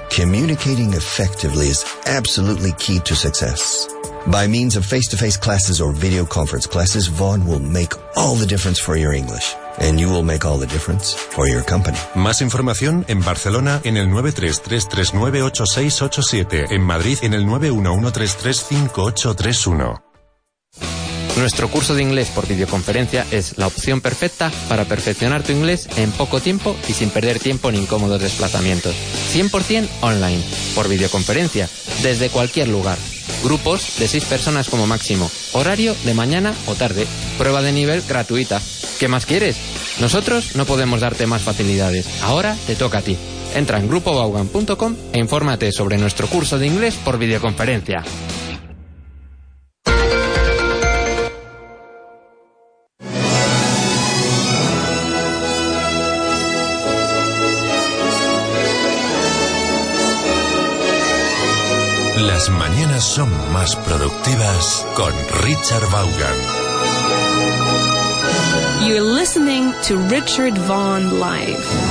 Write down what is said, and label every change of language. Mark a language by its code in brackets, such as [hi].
[en] Communicating effectively is absolutely key to success. By means of face-to-face classes or video conference classes, Vaughn will make all the difference for your English. And you will make all the difference for your company. [es] Más información en Barcelona en el 933398687. En Madrid en el 911335831. Nuestro curso de inglés por videoconferencia es la opción perfecta para perfeccionar tu inglés en poco tiempo y sin perder tiempo en incómodos desplazamientos. 100% online, por videoconferencia, desde cualquier lugar. Grupos de 6 personas como máximo. Horario de mañana o tarde. Prueba de nivel gratuita. ¿Qué más quieres? Nosotros no podemos darte más facilidades. Ahora te toca a ti. Entra en grupobaugan.com e infórmate sobre nuestro curso de inglés por videoconferencia. Las mañanas son más productivas con Richard Vaughan. [en] You're listening to Richard Vaughan Live.